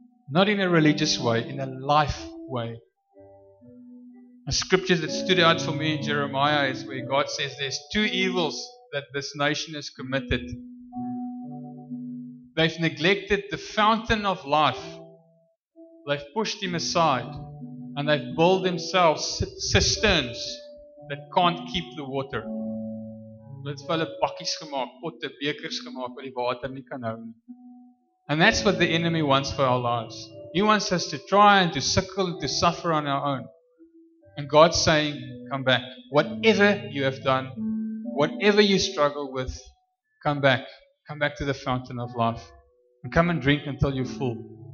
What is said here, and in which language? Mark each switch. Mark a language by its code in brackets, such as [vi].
[en] Not in a religious way, in a life way. A scripture that stood out for me in Jeremiah is where God says there's two evils that this nation has committed. They've neglected the fountain of life. They've pushed him aside. And they've built themselves cisterns that can't keep the water. [af] Hulle het hulle bakkies gemaak, potte, bekers gemaak wat die water nie kan hou nie. [en] And that's what the enemy wants for our lives. He wants us to try and to suckle and to suffer on our own. And God's saying, come back. Whatever you have done, whatever you struggle with, come back. Come back to the fountain of life. And come and drink until you're full.